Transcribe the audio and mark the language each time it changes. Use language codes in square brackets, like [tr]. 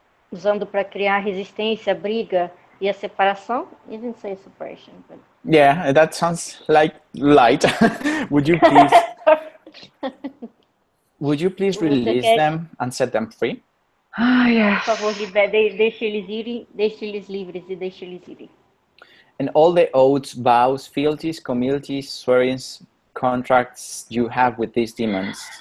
[pt] Usando para criar resistência, briga e a separação. [en] You didn't say separation. But... Yeah, that sounds like light. Would you please release them and set them free? Oh, yes. [pt] Por favor, deixe eles livres e deixe eles irem. [en] And all the oaths, vows, fealties, commilities, swearings, contracts you have with these demons.